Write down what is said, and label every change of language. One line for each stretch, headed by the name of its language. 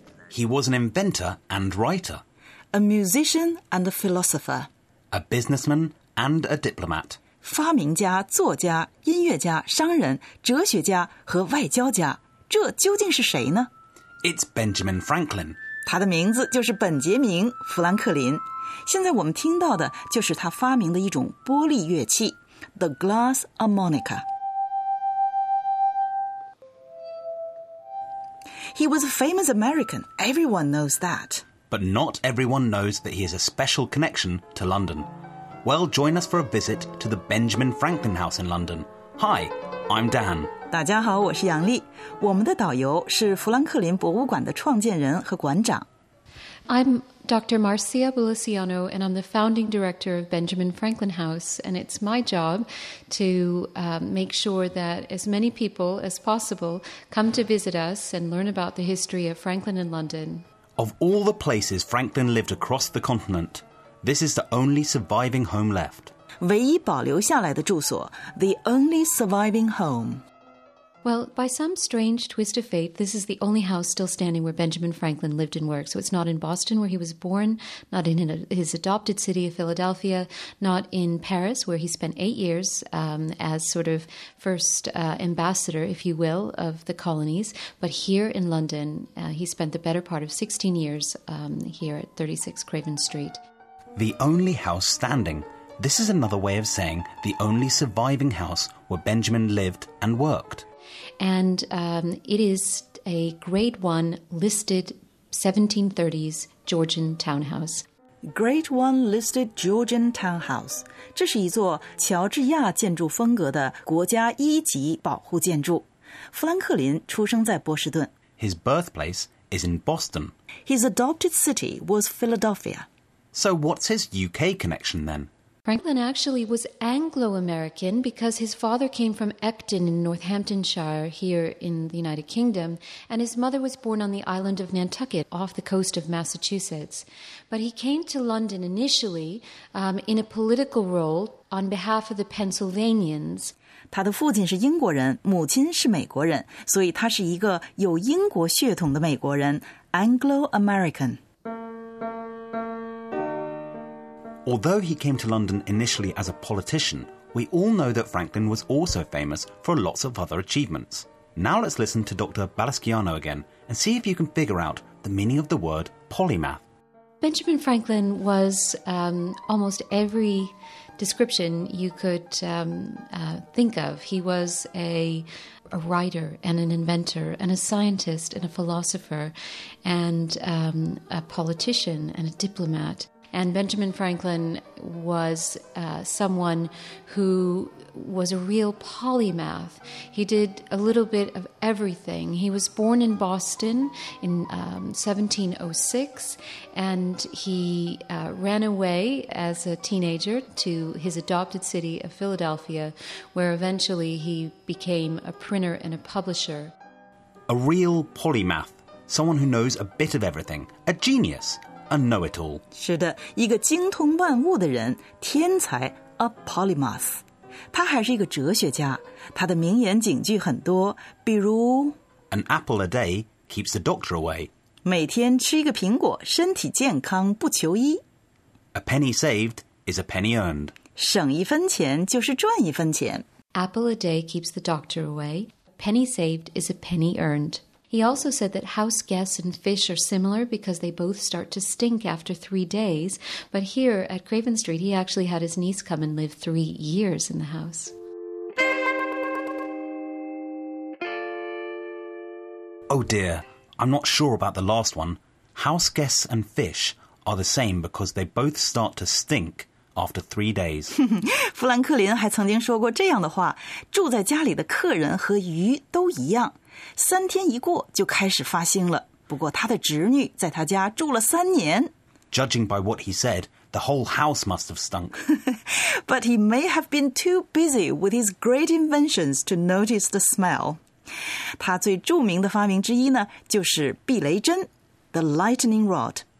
English: He was an inventor and writer A musician and a philosopher A businessman and a diplomat
Chinese: 发明家、作家、音乐家、商人、哲学家和外交家这究竟是谁呢
English: It's Benjamin Franklin
Chinese: 他的名字就是本杰明·富兰克林现在我们听到的就是他发明的一种玻璃乐器
English: The Glass Harmonica He was a famous American Everyone knows that But not everyone knows that he has a special connection to London Well, join us for a visit to the Benjamin Franklin House in London Hi, I'm Dan
Chinese: 大家好我是杨丽我们的导游是富兰克林博物馆的创建人和馆长
English: I'm Dr. Marcia Buliciano, and I'm the founding director of Benjamin Franklin House, and it's my job to make sure that as many people as possible come to visit us and learn about the history of Franklin in London. Of all the places Franklin lived across the continent, this is the only surviving home left.
Chinese: 唯一保留下来的住所
English: the only surviving home. Well, by some strange twist of fate, this is the only house still standing where Benjamin Franklin lived and worked. So it's not in Boston where he was born, not in his adopted city of Philadelphia, not in Paris where he spent 8 years as sort of first ambassador, if you will, of the colonies. But here in London, he spent the better part of 16 years here at 36 Craven Street. The only house standing. This is another way of saying the only surviving house where Benjamin lived and worked. And it is a Grade One listed 1730s Georgian townhouse. Grade One listed Georgian townhouse.
Chinese: 这是一座乔治亚建筑风格的国家一级保护建筑。富兰克林出生在波士顿。
English: His birthplace is in Boston. His adopted city was Philadelphia. So what's his UK connection then? Franklin actually was Anglo-American because his father came from Ecton in Northamptonshire here in the United Kingdom, and his mother was born on the island of Nantucket off the coast of Massachusetts. But he came to London initially in a political role on behalf of the Pennsylvanians.
Chinese: 他的父亲是英国人,母亲是美国人,所以他是一个有英国血统的美国人 ,Anglo-American.
English: Although he came to London initially as a politician, we all know that Franklin was also famous for lots of other achievements. Now let's listen to Dr. Buliciano again and see if you can figure out the meaning of the word polymath. Benjamin Franklin was almost every description you could think of. He was a writer and an inventor and a scientist and a philosopher and a politician and a diplomat. And Benjamin Franklin was someone who was a real polymath. He did a little bit of everything. He was born in Boston in 1706, and he ran away as a teenager to his adopted city of Philadelphia, where eventually he became a printer and a publisher. A real polymath, someone who knows a bit of everything, a genius. A know-it-all.
Chinese: 是的，一个精通万物的人，天才 ，a polymath. 他还是一个哲学家，他的名言警句很多，比如
English: ，An apple a day keeps the doctor away.
Chinese: 每天吃一个苹果，身体健康不求医。
English: A penny saved is a penny earned.
Chinese: 省一分钱就是赚一分钱。
English: Apple a day keeps the doctor away. Penny saved is a penny earned. He also said that house guests and fish are similar because they both start to stink after 3 days. But here at Craven Street, he actually had his niece come and live 3 years in the house. Oh dear, I'm not sure about the last one. House guests and fish are the same because they both start to stink. After 3 days.
Chinese: 富兰克林还曾经说过这样的话，住在家里的客人和鱼都一样，三天一过就开始发腥了。不过他的侄女在他家住了三年。
English: Judging by what he said, the whole house must have stunk. But he may have been too busy with his great inventions to notice the smell.
Chinese: 他最著名的发明之一呢，就是避雷针 ,the lightning rod.